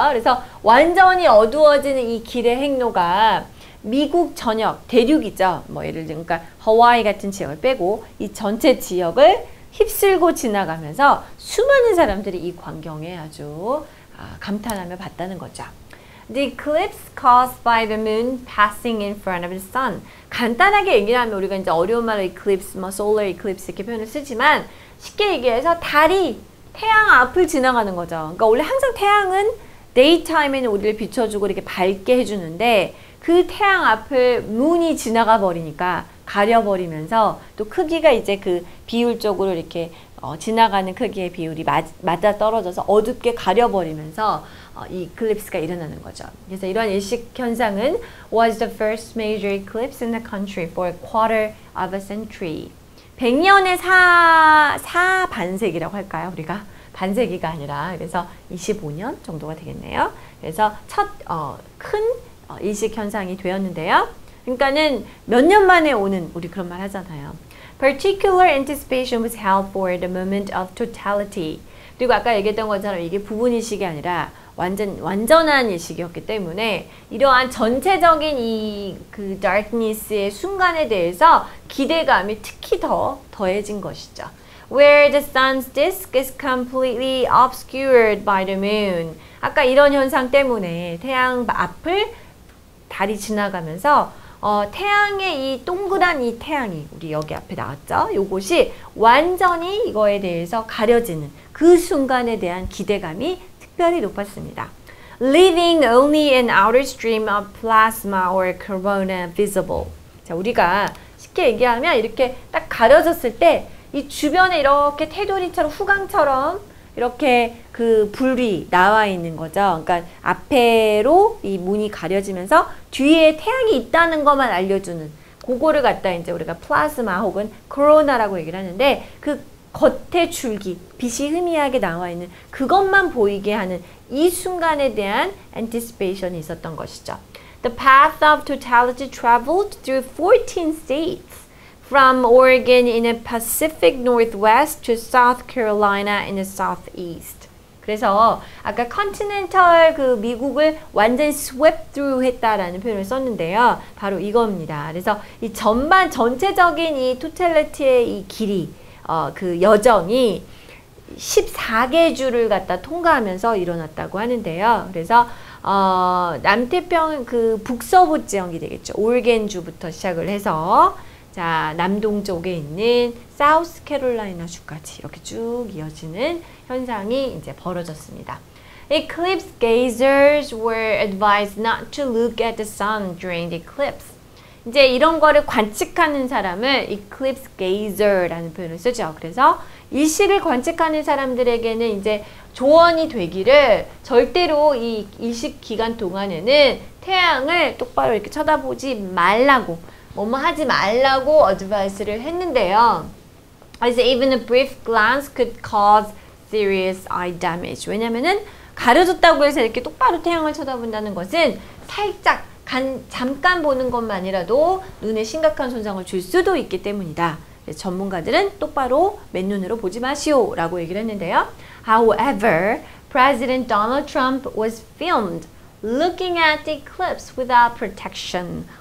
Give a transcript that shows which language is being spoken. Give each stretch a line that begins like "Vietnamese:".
Korean: 그래서 완전히 어두워지는 이 길의 행로가 미국 전역, 대륙이죠. 뭐 예를 들면 그러니까 하와이 같은 지역을 빼고 이 전체 지역을 휩쓸고 지나가면서 수많은 사람들이 이 광경에 아주 감탄하며 봤다는 거죠.
English: The eclipse caused by the moon passing in front of the sun.
Korean: 간단하게 얘기를 하면 우리가 이제 어려운 말로 eclipse, 뭐 solar eclipse 이렇게 표현을 쓰지만 쉽게 얘기해서 달이 태양 앞을 지나가는 거죠. 그러니까 원래 항상 태양은 daytime에는 우리를 비춰주고 이렇게 밝게 해주는데 그 태양 앞을 moon이 지나가 버리니까 가려버리면서 또 크기가 이제 그 비율적으로 이렇게 지나가는 크기의 비율이 맞아 떨어져서 어둡게 가려버리면서 이 eclipse가 일어나는 거죠. 그래서 이러한 일식 현상은
English: was the first major eclipse in the country for a quarter of a century.
Korean: 100년의 반세기라고 할까요? 우리가 반세기가 아니라 그래서 25년 정도가 되겠네요. 그래서 첫 큰 일식 현상이 되었는데요. 그러니까는 몇 년 만에 오는 우리 그런 말 하잖아요.
English: Particular anticipation was held for the moment of totality.
Korean: 그리고 아까 얘기했던 것처럼 이게 부분 일식이 아니라 완전한 일식이었기 때문에 이러한 전체적인 이 그 darkness의 순간에 대해서 기대감이 특히 더 더해진 것이죠.
English: Where the sun's disk is completely obscured by the moon.
Korean: 아까 이런 현상 때문에 태양 앞을 달이 지나가면서 태양의 이 동그란 이 태양이 우리 여기 앞에 나왔죠? 요것이 완전히 이거에 대해서 가려지는 그 순간에 대한 기대감이 특별히 높았습니다.
English: Leaving only an outer stream of plasma or corona visible.
Korean: 자, 우리가 쉽게 얘기하면 이렇게 딱 가려졌을 때 이 주변에 이렇게 테두리처럼 후광처럼 이렇게 그 불이 나와 있는 거죠. 그러니까 앞에로 이 문이 가려지면서 뒤에 태양이 있다는 것만 알려주는 그거를 갖다 이제 우리가 플라즈마 혹은 코로나라고 얘기를 하는데 그 겉에 줄기, 빛이 희미하게 나와 있는 그것만 보이게 하는 이 순간에 대한 anticipation이 있었던 것이죠.
English: The path of totality traveled through 14 states. From Oregon in the Pacific Northwest to South Carolina in the Southeast.
Korean: 그래서 아까 continental 그 미국을 완전
English: swept through
Korean: 했다라는 표현을 썼는데요. 바로 이겁니다. 그래서 이 전반 전체적인 이 totality의 이 길이 그 여정이 14개 주를 갖다 통과하면서 일어났다고 하는데요. 그래서 남태평 그 북서부 지역이 되겠죠. 오레곤 주부터 시작을 해서 자, 남동쪽에 있는 사우스 캐롤라이나 주까지 이렇게 쭉 이어지는 현상이 이제 벌어졌습니다.
English: Eclipse gazers were advised not to look at the sun during the eclipse.
Korean: 이제 이런 거를 관측하는 사람을 eclipse gazer라는 표현을 쓰죠. 그래서 일식을 관측하는 사람들에게는 이제 조언이 되기를 절대로 이 일식 기간 동안에는 태양을 똑바로 이렇게 쳐다보지 말라고 뭐뭐 하지 말라고 어드바이스를 했는데요.
English: As even a brief glance could cause serious eye damage.
Korean: 왜냐면은 가려졌다고 해서 이렇게 똑바로 태양을 쳐다본다는 것은 살짝 잠깐 보는 것만이라도 눈에 심각한 손상을 줄 수도 있기 때문이다. 그래서 전문가들은 똑바로 맨눈으로 보지 마시오 라고 얘기를 했는데요.
English: However, President Donald Trump was filmed looking at the eclipse without protection.